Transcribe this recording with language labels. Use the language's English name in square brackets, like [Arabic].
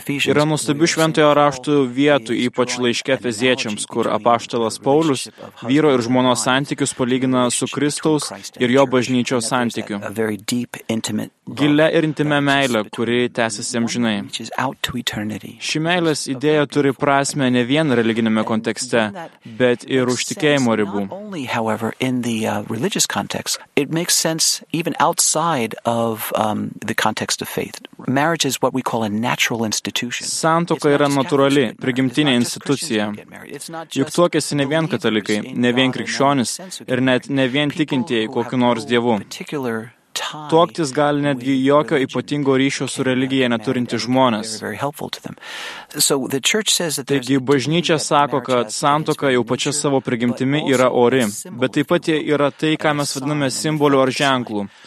[Lithuanian] Yra nuostabių šventojo rašto vietų, ypač laiške Efeziečiams, kur apaštalas Paulius vyro ir žmonos santykius palygina su Kristaus ir jo bažnyčio santykiu. Gilia ir intime meilė, kuri tęsiasi amžinai. Ši meilės idėja turi prasme ne vien religinėme kontekste, bet ir už tikėjimo ribų. [English] It makes sense even outside of the context of faith. Marriage is what we call a natural institution. [Lithuanian] Santuoka yra natūrali, prigimtinė institucija. Juk tuokiasi ne vien katalikai, ne vien krikščionis ir net ne vien tikintieji kokiu nors dievu. Tuoktis gali netgi jokio ypatingo ryšio su religija neturinti žmonės. Taigi, bažnyčia sako, kad santuoka jau pačia savo prigimtimi yra ori, bet taip pat jie yra tai, ką mes vadiname simboliu ar ženklu.